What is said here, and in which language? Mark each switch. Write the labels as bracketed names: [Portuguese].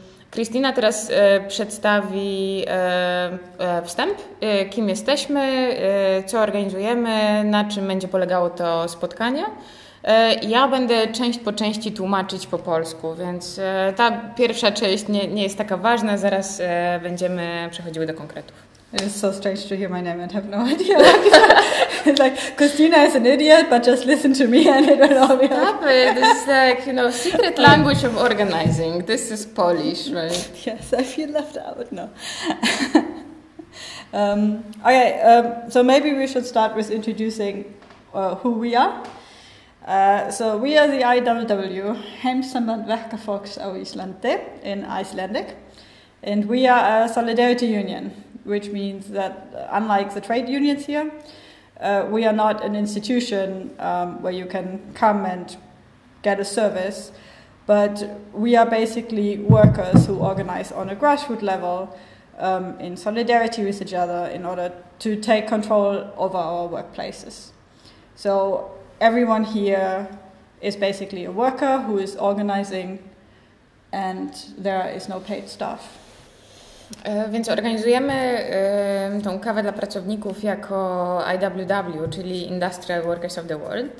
[Polish] Krystyna teraz przedstawi wstęp, kim jesteśmy, co organizujemy, na czym będzie polegało to spotkanie. Ja będę część po części tłumaczyć po polsku, więc ta pierwsza część nie jest taka ważna, zaraz będziemy przechodziły do konkretów. [English] It's so strange to hear my name and have no idea. It's like, Christina is an idiot, but just listen to me and it will all be okay. Stop it. This is like, you know, secret language of organizing. This is Polish, right? Yes, I feel left out. No. okay, so maybe we should start with introducing who we are. So we are the IWW, Heimsamband Verkafólks á Íslandi, in Icelandic. And we are a solidarity union, which means that unlike the trade unions here, we are not an institution where you can come and get a service, but we are basically workers who organize on a grassroots level in solidarity with each other in order to take control over our workplaces. So everyone here is basically a worker who is organizing, and there is no paid staff. [Polish] Więc organizujemy tą kawę dla pracowników jako IWW, czyli Industrial Workers of the World.